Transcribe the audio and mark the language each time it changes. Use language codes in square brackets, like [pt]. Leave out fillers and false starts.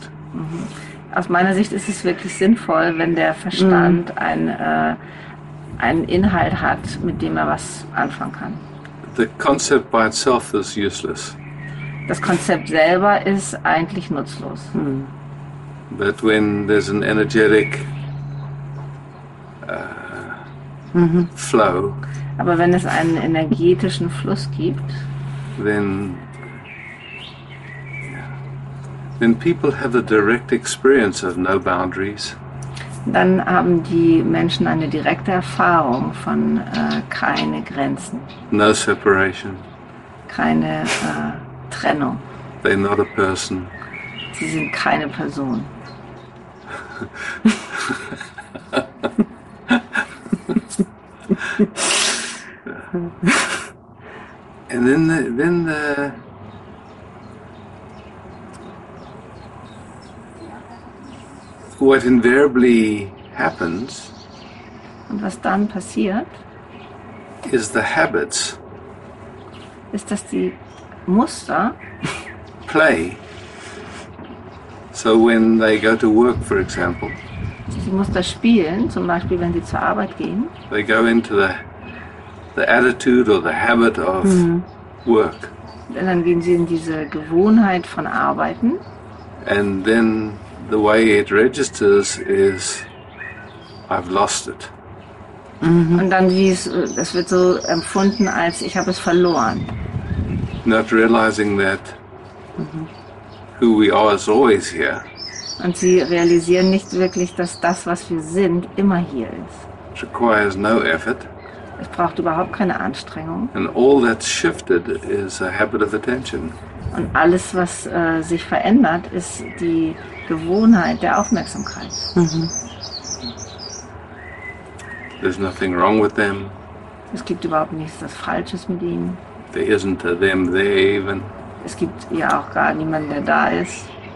[de] Mm-hmm. Aus meiner Sicht ist es wirklich sinnvoll, wenn der Verstand einen Inhalt hat, mit dem was anfangen kann. [en] The concept by itself is useless. [de] Das Konzept selber ist eigentlich nutzlos. Mm. [en] But when there's an energetic flow, [de] aber wenn es einen energetischen Fluss gibt, [en] then people have a direct experience of no boundaries. [de] Dann haben die Menschen eine direkte Erfahrung von keine Grenzen. [en] No separation. [de] Keine Trennung. [en] They're not a person. [de] Sie sind keine Person. [en] And then the what invariably happens, [de] und was dann passiert, [en] is the habits, [de] ist, dass die Muster [en] play. So when they go to work, for example, [de] die Muster spielen, zum Beispiel, wenn sie zur Arbeit gehen, [en] they go into the attitude or the habit of work. [de] Dann gehen sie in diese Gewohnheit von Arbeiten. [en] And then the way it registers is, I've lost it. [de] Und dann wie es, das wird so empfunden als, ich habe es verloren. [en] Not realizing that who we are is always here. [de] Und sie realisieren nicht wirklich, dass das, was wir sind, immer hier ist. [en] It requires no effort. [de] Es braucht überhaupt keine Anstrengung. [en] And all that's shifted is a habit of attention. [de] Und alles, was sich verändert, ist die Gewohnheit der Aufmerksamkeit. [en] There's nothing wrong with them. [de] Es gibt überhaupt nichts das Falsches mit ihnen. [en] There isn't a them there even. [de] Es gibt ja auch gar niemanden, der da ist.